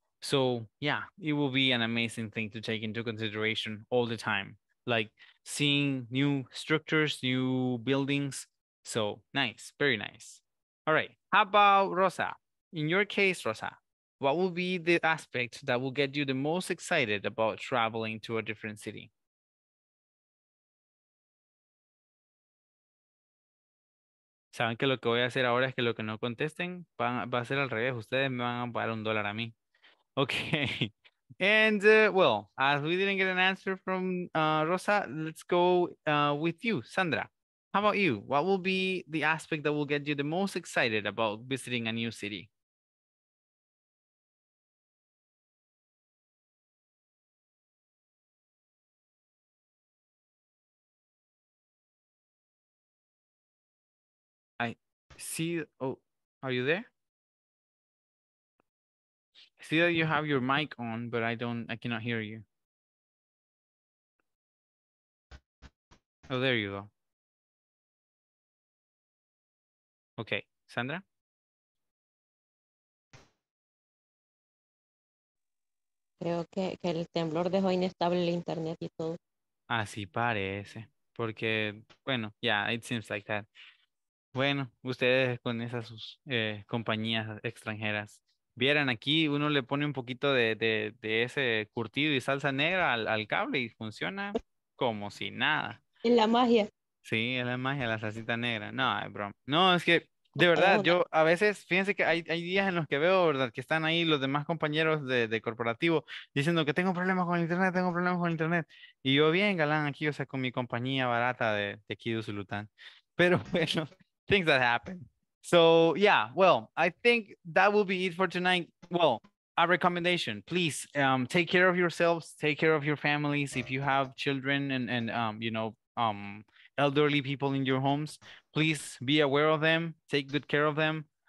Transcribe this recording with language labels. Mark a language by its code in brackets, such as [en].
[en] So yeah, it will be an amazing thing to take into consideration all the time, like seeing new structures, new buildings. So nice, very nice. All right, how about Rosa? In your case, Rosa, what will be the aspect that will get you the most excited about traveling to a different city? [es] ¿Saben que lo que voy a hacer ahora es que lo que no contesten va a ser al revés? Ustedes me van a pagar un dólar a mí. [en] Okay. And, well, as we didn't get an answer from Rosa, let's go with you, Sandra. How about you? What will be the aspect that will get you the most excited about visiting a new city? See, oh, are you there? See that you have your mic on, but I cannot hear you. Oh, there you go. Okay, Sandra? [es] Creo que el temblor dejó inestable el internet y todo. Así parece, porque, bueno, [en] yeah, it seems like that. [es] Bueno, ustedes con esas sus compañías extranjeras. Vieran, aquí uno le pone un poquito de ese curtido y salsa negra al cable y funciona como si nada. Es la magia. Sí, es la magia, la salsita negra. No, es broma. No, es que, de verdad, yo a veces, fíjense que hay días en los que veo, ¿verdad?, que están ahí los demás compañeros de corporativo diciendo que tengo problemas con el internet. Y yo bien galán aquí, o sea, con mi compañía barata de aquí de Usulután. Pero bueno, [en] things that happen. So yeah, well, I think that will be it for tonight. Well, a recommendation, please take care of yourselves, take care of your families. If you have children and you know, elderly people in your homes, please be aware of them, take good care of them.